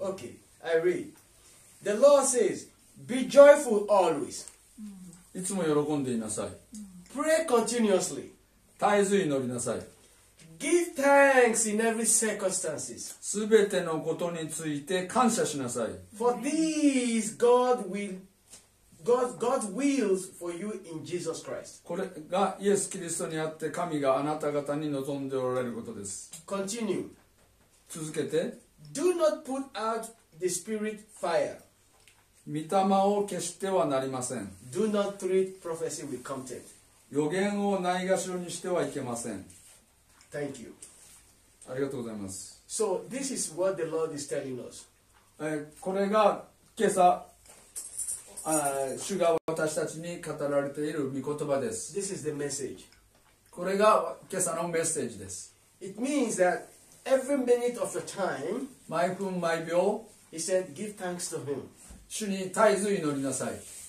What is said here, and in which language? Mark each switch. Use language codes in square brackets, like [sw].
[en] Okay, I read. The Lord says, Be joyful always. [ja] いつも喜んでいなさい。 [en] Pray continuously. [ja] 絶えず祈りなさい。 [en] Give thanks in every circumstances. [ja] すべてのことについて感謝しなさい。 [en] For these God wills for you in Jesus Christ. [ja] これがイエス・キリストにあって神があなた方に望んでおられることです。 [en] Continue. [ja] 続けて。 [en] Do not put out the spirit fire. [ja] 御霊を消してはなりません。 [en] Do not treat prophecy with contempt. [ja] 予言をないがしろにしてはいけません。 [en] Thank you. [ja] ありがとうございます。 [en] So this is what the Lord is telling us. [ja] これが今朝、主が私たちに語られている御言葉です。 [en] This is the message. [ja] これが今朝のメッセージです。 [en] It means that every minute of your time, [ja] 毎分毎秒、 [en] He said, give thanks to Him. [ja] 主に絶えず祈りなさい。